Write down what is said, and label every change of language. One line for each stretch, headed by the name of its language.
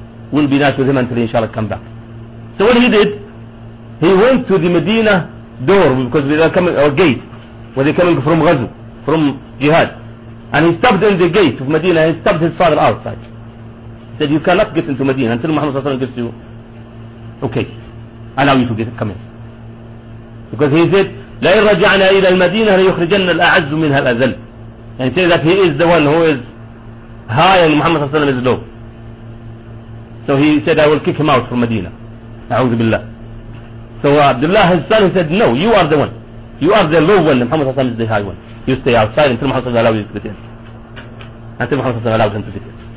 English: We'll be nice with him until inshallah come back. So what he did, he went to the Medina door, because they are coming, or gate, where they're coming from Ghazu, from Jihad. And he stopped in the gate of Medina, and he stopped his father outside. He said, you cannot get into Medina until Muhammad sallallahu alayhi wa sallam gives you, okay, allow you to get, come in. Because he said,
Arabic: لَإِنْ رَجَعْنَا إِلَى الْمَدِينَةَ لَيُخْرِجَنَّ الْأَعَزُّ مِنْهَا الْأَذَلُّ.
English: And he said that he is the one who is high and Muhammad sallallahu alayhi wa sallam is low. So he said, I will kick him out from Medina.
Arabic: أعوذ بالله.
English: So Abdullah, his son, he said, no, you are the one. You are the low one, Muhammad sallallahu alayhi wa sallam is the high one. you stay outside until Muhammad doesn't allow you to get in. Until Muhammad doesn't allow him to get in.